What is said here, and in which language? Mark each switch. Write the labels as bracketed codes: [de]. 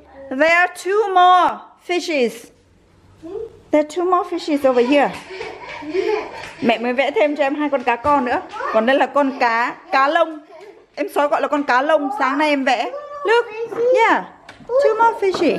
[en] There are two more fishes. There are two more fishes over here. [vi] Mẹ mới vẽ thêm cho em hai con cá con nữa. Còn đây là con cá lông. Em Sói gọi là con cá lông, sáng nay em vẽ. [en] Look, yeah, two more fishy.